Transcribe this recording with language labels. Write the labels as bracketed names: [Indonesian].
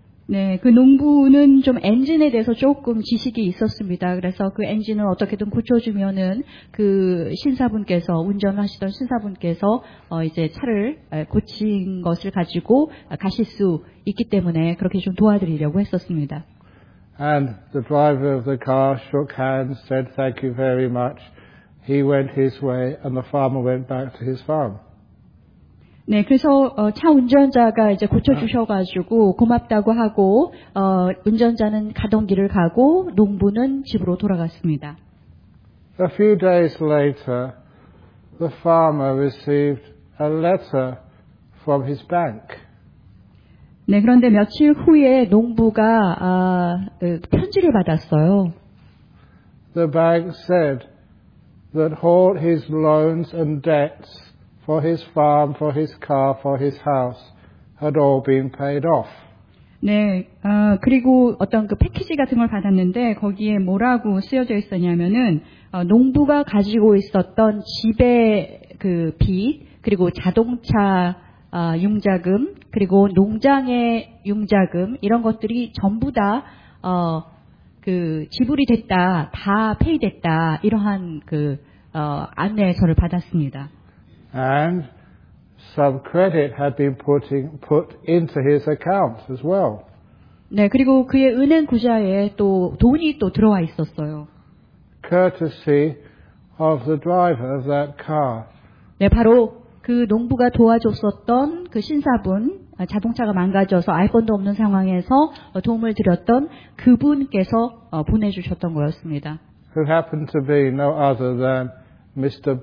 [Korean] 네, 그 농부는 좀 엔진에 대해서 조금 지식이 있었습니다. 그래서 그 엔진을 어떻게든 고쳐주면은 그 신사분께서 운전하시던 신사분께서 이제 차를 고친 것을 가지고 가실 수 있기 때문에 그렇게 좀 도와드리려고 했었습니다. [English] And the driver of the car shook hands, said thank you very much. He went his way, and the farmer went back to his farm. [Korean] 네, 그래서 차 운전자가 이제 고쳐주셔가지고 고맙다고 하고 운전자는 가던 길을 가고 농부는 집으로 돌아갔습니다. [English] A few days later, the farmer received a letter from his bank. [Korean] 네, 그런데 며칠 후에 농부가 편지를 받았어요. [English] The bank said that all his loans and debts for his farm, for his car, for his house had all been paid off. [Korean] 네, 그리고 어떤 그 패키지 같은 걸 받았는데 거기에 뭐라고 쓰여져 있었냐면은 농부가 가지고 있었던 집의 그 빚 그리고 자동차 융자금 그리고 농장의 융자금 이런 것들이 전부 다 그 지불이 됐다, 다 페이됐다 이러한 그 안내서를 받았습니다. [English] And some credit had been put into his account as well. [Korean] 네, 그리고 그의 은행 구좌에 또 돈이 또 들어와 있었어요. [English] Courtesy of the driver of that car. [Korean] 네, 바로 그 농부가 도와줬었던 그 신사분, 자동차가 망가져서 아이폰도 없는 상황에서 도움을 드렸던 그분께서 보내주셨던 거였습니다. [English] Who happened to be no other than Mr.